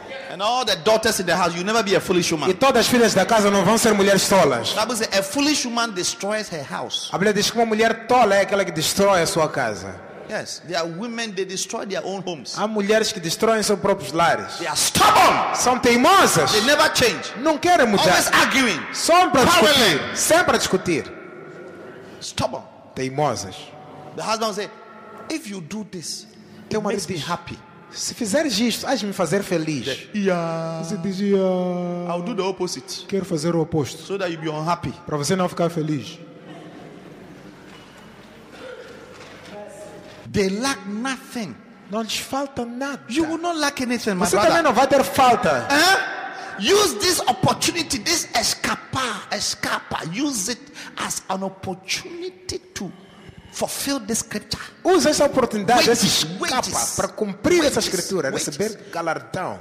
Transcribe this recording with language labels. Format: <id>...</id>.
<en>And all the daughters in the house, you'll never be a foolish woman.</en> <pt>E todas as filhas da casa não vão ser mulheres tolas.</pt> <en>Bible says, a foolish woman destroys her house.</en> <pt>A Bíblia diz que uma mulher tola é aquela que destrói a sua casa.</pt> <en>Yes, there are women they destroy their own homes.</en> <pt>Há mulheres que destroem seus próprios lares.</pt> <en>They are stubborn.</en> <pt>São teimosas.</pt> <en>They never change.</en> <pt>Não querem mudar.</pt> <en>Always arguing.</en> <pt>Sempre a discutir. Sempre a discutir.</pt> <en>Stubborn.</en> <pt>Teimosas.</pt> <en>The husband say, if you do this, it makes me happy.</en> <pt>Se fizeres isto, hás de me fazer feliz. Você dizia,</pt> <en>I'll do the opposite.</en> <pt>Quero fazer o oposto.</pt> <en>So that you be unhappy.</en> <pt>Para você não ficar feliz.</pt> <en>They lack nothing.</en> <pt>Não lhes falta nada.</pt> <en>You will not lack anything, my brother.</en> <pt>Também não vai ter falta.</pt> <en>Use this opportunity, this escapa. Use it as an opportunity to fulfill this scripture.</en> <pt>Use essa oportunidade, esse escapa, para cumprir essa escritura, receber galardão.</pt>